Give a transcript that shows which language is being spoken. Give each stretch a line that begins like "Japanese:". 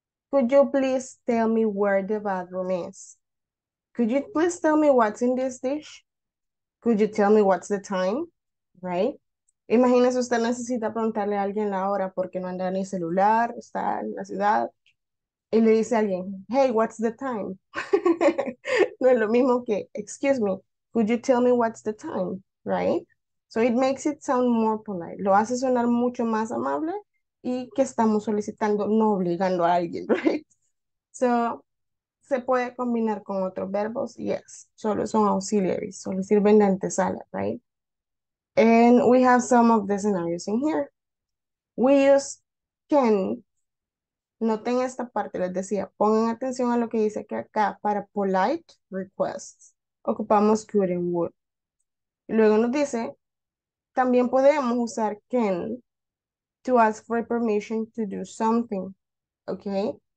English: Could you please tell me where the bathroom is? Could you please tell me what's in this dish? Could you tell me what's the time? Right?
Spanish: Imagínese usted necesita preguntarle a alguien la hora porque no anda ni celular, está en la ciudad. Y le dice a alguien,
English: hey, what's the time?
Spanish: No es lo mismo que,
English: excuse me, could you tell me what's the time? Right? So it makes it sound more polite.
Spanish: Lo hace sonar mucho más amable y que estamos solicitando, no obligando a alguien, right? So, se puede combinar con otros verbos, yes. Solo son auxiliaries, solo sirven de antesala, right?
English: And we have some of the scenarios in here. We use can.
Spanish: Noten esta parte, les decía, pongan atención a lo que dice que acá para polite requests.
English: Ocupamos could and would.
Spanish: Luego nos dice, también podemos usar
English: can to ask for permission to do something, okay?